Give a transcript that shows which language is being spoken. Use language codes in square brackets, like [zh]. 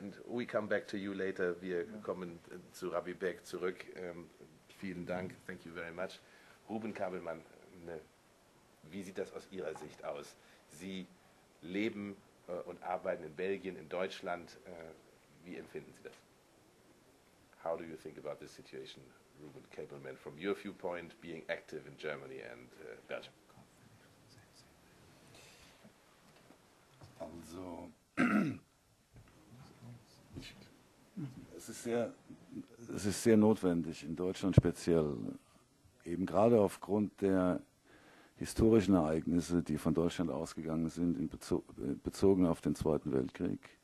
[en] And we come back to you later. [de] Wir kommen zu Rabbi Beck zurück. Vielen Dank. [en] Thank you very much. [de] Ruben Kabelmann, wie sieht das aus Ihrer Sicht aus? Sie leben und arbeiten in Belgien, in Deutschland. Wie empfinden Sie das? [en] How do you think about this situation, Ruben Kabelmann, from your viewpoint, being active in Germany and Belgium? [de] Also, es ist sehr notwendig, in Deutschland speziell, eben gerade aufgrund der historischen Ereignisse, die von Deutschland ausgegangen sind, bezogen auf den Zweiten Weltkrieg,